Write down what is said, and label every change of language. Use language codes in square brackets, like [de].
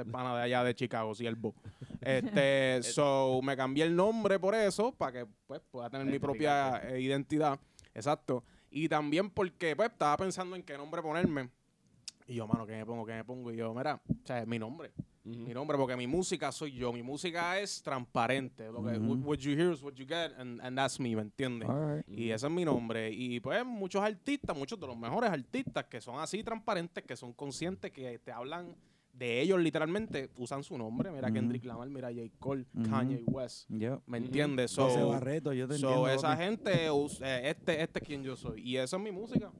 [es] Ese pana de allá de Chicago, siervo. So, me cambié el nombre por eso, para que pues pueda tener mi propia identidad. Exacto. Y también porque pues estaba pensando en qué nombre ponerme. Y yo, mano, ¿qué me pongo? Y yo, mira, o sea, es mi nombre. Mm-hmm. Mi nombre, porque mi música soy yo. Mi música es transparente. Lo que, mm-hmm. [en] What you hear is what you get, and that's me, [es] ¿me entiendes? [en] Right. [es] Y ese es mi nombre. Y pues muchos artistas, muchos de los mejores artistas que son así transparentes, que son conscientes, que te hablan de ellos literalmente, usan su nombre. Mira, mm-hmm. Kendrick Lamar, mira, J. Cole, mm-hmm. Kanye West. [en] Yep. [es] ¿Me entiendes? So, ese Barreto, yo te so entiendo, esa papi. Gente, este es quien yo soy. Y esa es mi música.